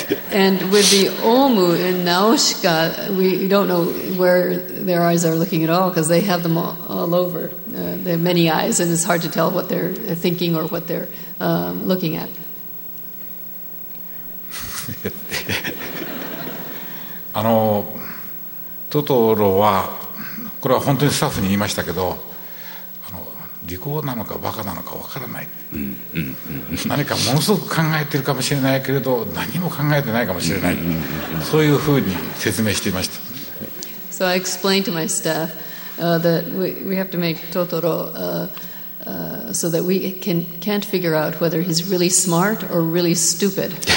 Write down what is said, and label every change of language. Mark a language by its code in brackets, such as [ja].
[en] And with the Omu in Nausicaa, we don't know where their eyes are looking at all because they have them all over. They have many eyes and it's hard to tell what they're thinking or what they're looking at. [ja] トトロはこれは本当にスタッフに言いましたけど、利口なのかバカなのかわからない、うんうん、何かものすごく考えてるかもしれないけれど何も考えてないかもしれない、そういうふうに説明していました。 [en] So I explained to my staff that we have to make Totoro so that we can't figure out whether he's really smart or really stupid.